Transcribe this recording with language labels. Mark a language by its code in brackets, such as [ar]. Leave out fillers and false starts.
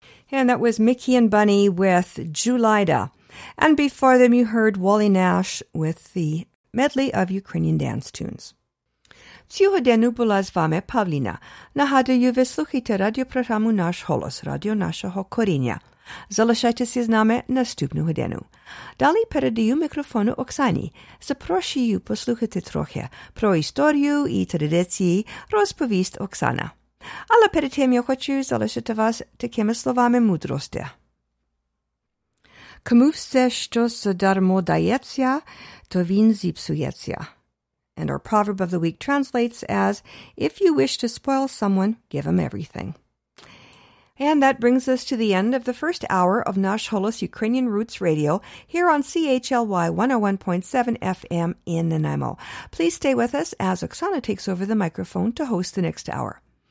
[en] And that was Mickey and Bunny with Julida. And before them, you heard Wally Nash with the medley of Ukrainian dance tunes. [uk] Цього дня була з вами Павліна. Нагадую, ви слухаєте радіопрограму «Наш голос», радіо нашого коріння. Залишайтеся з нами наступного дня. Далі передаю мікрофону Оксані. Запрошую послухати трохи про історію і традиції, розповість Оксана. Але перед тим я хочу залишити вас такими словами мудрості. Кому все, що задармо дається, то він зіпсується. [en] And our proverb of the week translates as, if you wish to spoil someone, give them everything. And that brings us to the end of the first hour of Nash Holos Ukrainian Roots Radio here on CHLY 101.7 FM in Nanaimo. Please stay with us as Oksana takes over the microphone to host the next hour.